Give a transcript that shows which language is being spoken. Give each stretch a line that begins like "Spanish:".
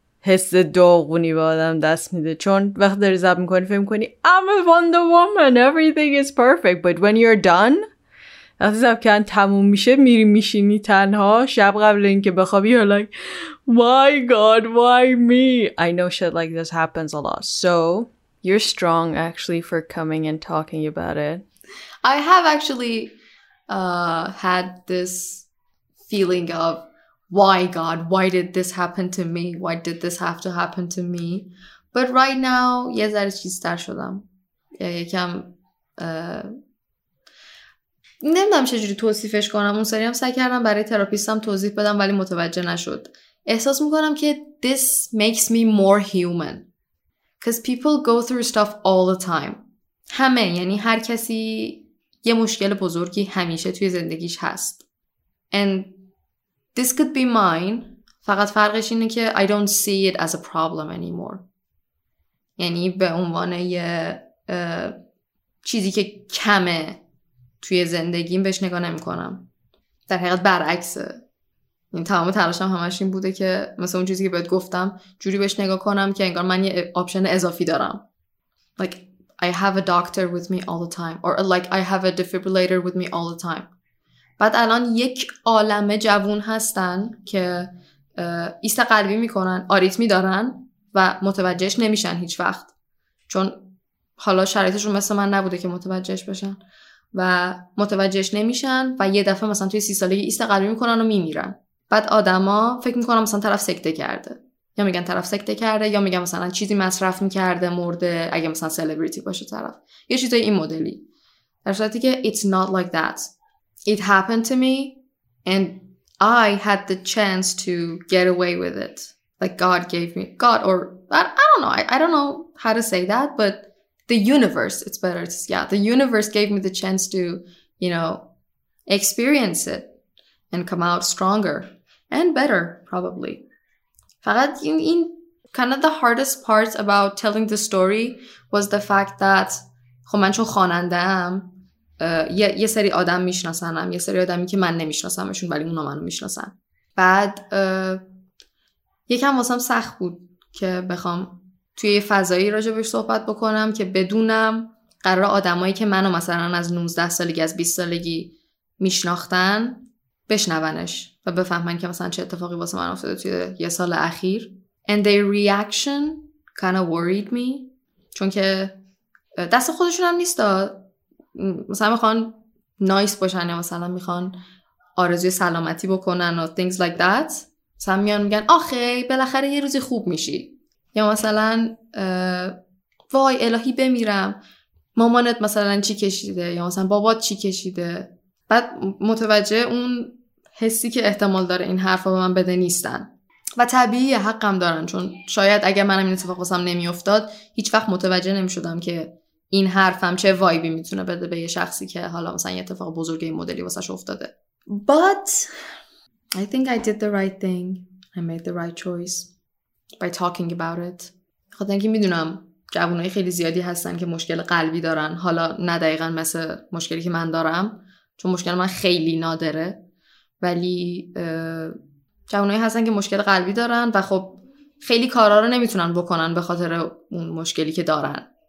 Persian: حس داغونی به آدم دست میده، چون وقتی داری زب میکنی فهم کنی
English: I'm a Wonder Woman, everything is perfect, but when you're done،
Persian: وقتی زب کن تموم میشه میری میشینی تنها شب قبل اینکه بخوابی
English: you're like my god why me. I know shit like this happens a lot, so you're strong actually for coming and talking about it. I have actually had this feeling of why God, why did this happen to me? Why did this have to happen to me? But right now,
Persian: یه ذره چیزتر شدم. یکم نمیدونم چجوری توصیفش کنم. اون سری هم سعی کردم برای تراپیستم توضیح بدم ولی متوجه نشد. احساس میکنم که
English: this makes me more human. Because people go through stuff all the time.
Persian: همه، یعنی هر کسی یه مشکل بزرگی همیشه توی زندگیش هست.
English: And this could be mine.
Persian: فقط فرقش اینه که
English: I don't see it as a problem anymore.
Persian: یعنی به عنوان یه چیزی که کمه توی زندگیم بهش نگاه نمی کنم. در حقیقت برعکسه. این تمام تلاشم همش این بوده که مثلا اون چیزی که بهت گفتم جوری بهش نگاه کنم که انگار من یه آپشن اضافی دارم.
English: Like I have a doctor with me all the time. Or like I have a defibrillator with me all the time.
Persian: بعد الان یک عالمه جوون هستن که ایست قلبی میکنن، آریتمی دارن و متوجهش نمیشن هیچ وقت. چون حالا شرایطشون مثل من نبوده که متوجهش بشن و متوجهش نمیشن و یه دفعه مثلا توی 30 سالگی ایست قلبی میکنن و میمیرن. بعد آدما فکر میکنن مثلا طرف سکته کرده. یا میگن طرف سکته کرده یا میگن مثلا چیزی مصرف میکرده مرده اگه مثلا سلبریتی باشه طرف. یه چیزای این مدلی. در صورتی که
English: it's not like that. It happened to me and I had the chance to get away with it. Like God gave me, God or I don't know how to say that, but the universe, it's better to say, yeah, the universe gave me the chance to, you know, experience it and come out stronger and better, probably.
Persian: فقط این
English: kind of the hardest part about telling the story was the fact that
Persian: خب من چون خواننده ام یه سری آدم میشناسنم، یه سری آدمی که من نمیشناسمشون ولی اونا منو میشناسن. بعد یکم واسم سخت بود که بخوام توی یه فضایی راجبش صحبت بکنم که بدونم قرار آدمایی که منو مثلا از 19 سالگی از 20 سالگی میشناختن بشنونش و بفهمن که مثلا چه اتفاقی واسه من افتاده توی یه سال اخیر.
English: And their reaction kind of worried me.
Persian: چون که دست خودشون هم نیست دا. مثلا میخوان نایس باشن یا مثلا میخوان آرزوی سلامتی بکنن و
English: things like that.
Persian: مثلا میان میگن آخه بالاخره یه روزی خوب میشی. یا مثلا وای الهی بمیرم. مامانت مثلا چی کشیده؟ یا مثلا بابات چی کشیده؟ بعد متوجه اون حسی که احتمال داره این حرفا به من بده نیستن. و طبیعیه، حقم دارن، چون شاید اگر منم این اتفاق واسم نمیافتاد هیچ وقت متوجه نمیشدم که این حرفم چه وایبی میتونه بده به یه شخصی که حالا مثلا یه اتفاق بزرگ این مدلی واسش افتاده.
English: But I think I did the right thing. I made the right choice by talking about it.
Persian: خاطر اینکه میدونم جوانای خیلی زیادی هستن که مشکل قلبی دارن، حالا نه دقیقاً مثل مشکلی که من دارم، چون مشکل من خیلی نادره، ولی جوانایی هستن که مشکل قلبی دارن و خب خیلی کارا رو نمیتونن بکنن به خاطر اون مشکلی که دارن.